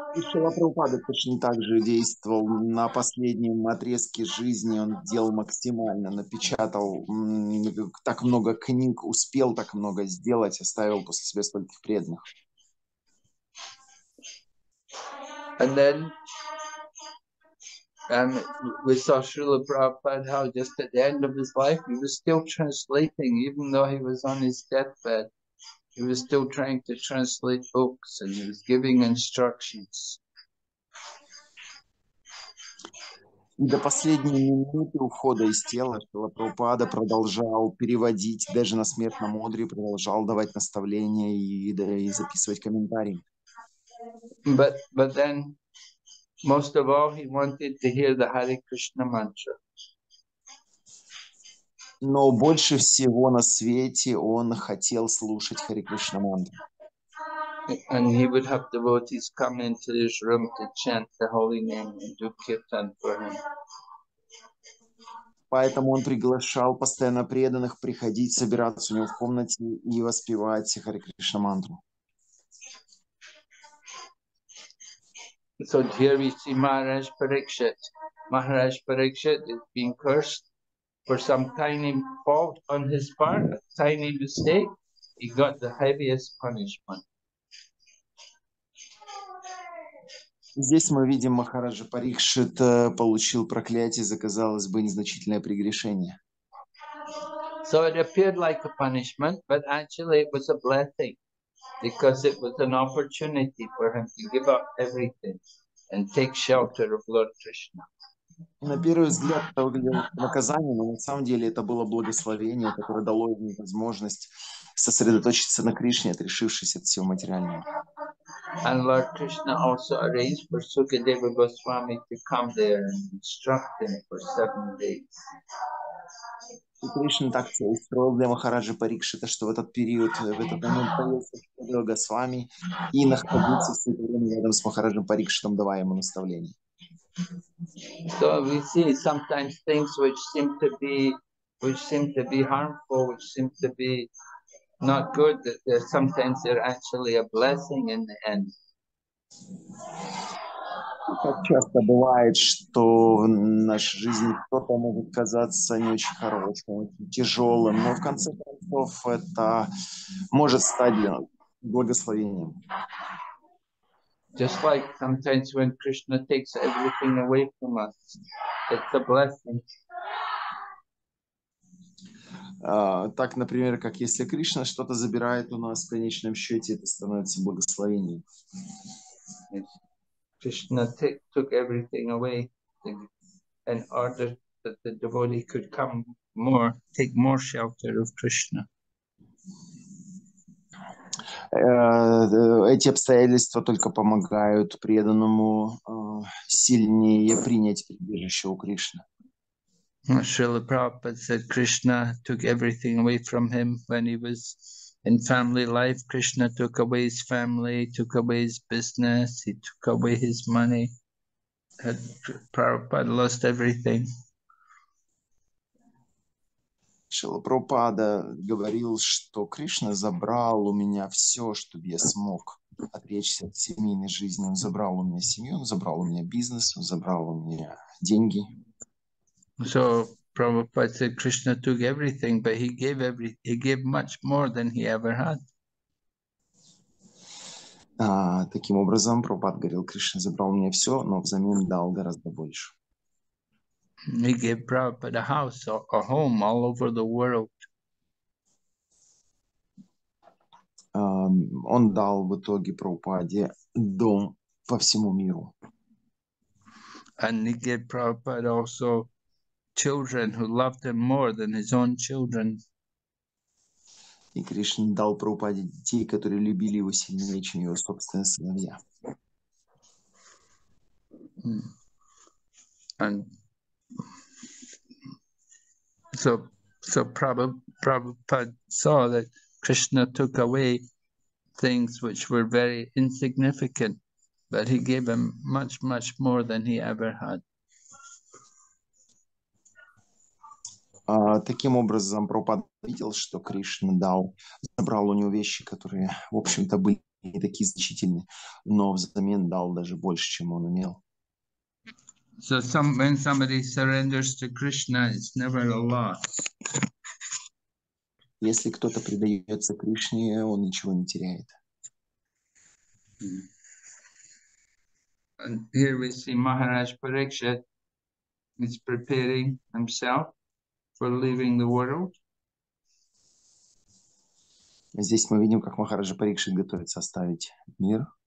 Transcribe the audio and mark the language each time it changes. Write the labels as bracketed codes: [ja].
[ru] Шрила Прабхупада точно так же действовал на последнем отрезке жизни. Он делал максимально, напечатал так много книг, успел так много сделать, оставил после себя стольких преданных. [en] And then we saw Srila Prabhupada how just at the end of his life he was still translating, even though he was on his deathbed. He was still trying to translate books and he was giving instructions. [ru] До последней минуты ухода из тела Шрила Прабхупада продолжал переводить, даже на смертном одре продолжал давать наставления и записывать комментарии. [en] But then, most of all, he wanted to hear the Hare Krishna mantra. [ru] Но больше всего на свете он хотел слушать Хари Кришна мантру. [en] And he would have devotees come into his room to chant the holy name and do kirtan for him. [ru] Поэтому он приглашал постоянно преданных приходить, собираться у него в комнате и воспевать Хари Кришна мантру. [en] So here we see Maharaj Parikshit. Maharaj Parikshit is being cursed for some tiny fault on his part, a tiny mistake. He got the heaviest punishment. [ru] Здесь мы видим Махараджа Парикшит получил проклятие за, казалось бы, незначительное прегрешение. [en] So it appeared like a punishment, but actually it was a blessing. Because it was an opportunity for him to give up everything and take shelter of Lord Krishna. [ru] На первый взгляд, это выглядело как наказание, но на самом деле это было благословение, которое дало ему возможность сосредоточиться на Кришне, отрешившись от всего материального. [en] And Lord Krishna also arranged for Sukadeva Goswami to come there and instruct him for 7 days. [ru] И Кришна так устроил для Махараджи Парикшита, что в этот период, в этот момент появился Сукадева Госвами и находился в свое время рядом с Махараджем Парикшитом, давая ему наставление. [en] So we see sometimes things which seem to be harmful, which seem to be not good, that they're, sometimes they're actually a blessing in the end. [ru] Как часто бывает, что в нашей жизни кто-то может казаться не очень хорошим, очень тяжелым, но в конце концов это может стать благословением. [en] Just like sometimes when Krishna takes everything away from us, it's a blessing. [ru] Так, например, как если Кришна что-то забирает у нас, в конечном счете это становится благословением. [en] Yes. Krishna took everything away in order that the devotee could come more, take more shelter of Krishna. [ru] Эти обстоятельства только помогают преданному сильнее принять прибежище у Кришны. [en] Srila Prabhupada said Krishna took everything away from him when he was in family life. Krishna took away his family, took away his business, he took away his money. Prabhupada lost everything. [ru] Шрила Прабхупада говорил, что Кришна забрал у меня все, чтобы я смог отречься от семейной жизни. Он забрал у меня семью, он забрал у меня бизнес, он забрал у меня деньги. [en] So Prabhupada said Krishna took everything, but he gave much more than he ever had. [ru] Таким образом, Прабхупада говорил, Кришна забрал у меня все, но взамен дал гораздо больше. [en] He gave Prabhupada a house, a home all over the world. [ru] Он дал в итоге Прабхупаде дом по всему миру. [en] And he gave Prabhupada also children who loved him more than his own children. [ru] И Кришна дал Прабхупаде детей, которые любили его сильнее, чем его собственные сыновья. [en] And So Prabhupada saw that Krishna took away things which were very insignificant, but he gave him much, much more than he ever had. [ru] Таким образом, Прабхупада видел, что Кришна забрал у него вещи, которые, в общем-то, были не такие значительные, но взамен дал даже больше, чем он имел. [en] So some, when somebody surrenders to Krishna, it's never a loss. [ru] Если кто-то предается Кришне, он ничего не теряет. [en] And here we see Maharaj Parikshit is preparing himself for leaving the world. [ru] Здесь мы видим, как Махараджа Парикшит готовится оставить мир.